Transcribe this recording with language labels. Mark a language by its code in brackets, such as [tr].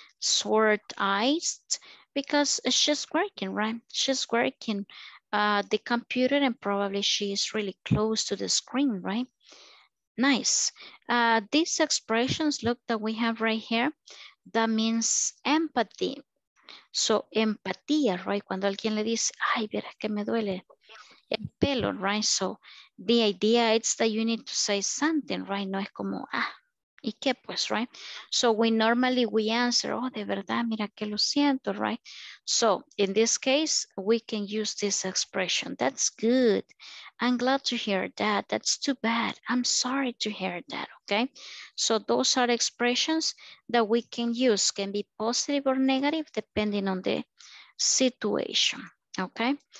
[en] Sore eyes because she's working, right? She's working the computer and probably she is really close to the screen, right? Nice. These expressions, look, that we have right here, that means empathy. So, empatía, right? [es] Cuando alguien le dice, ay, verás que me duele el pelo, right? [en] So, the idea is that you need to say something, right? [es] No es como, ah, ¿y qué pues, right? [en] So, we normally, we answer, oh, [es] de verdad, mira que lo siento, [en] right? So, in this case, we can use this expression. That's good. I'm glad to hear that. That's too bad. I'm sorry to hear that, okay? So, those are expressions that we can use. Can be positive or negative, depending on the situation, okay?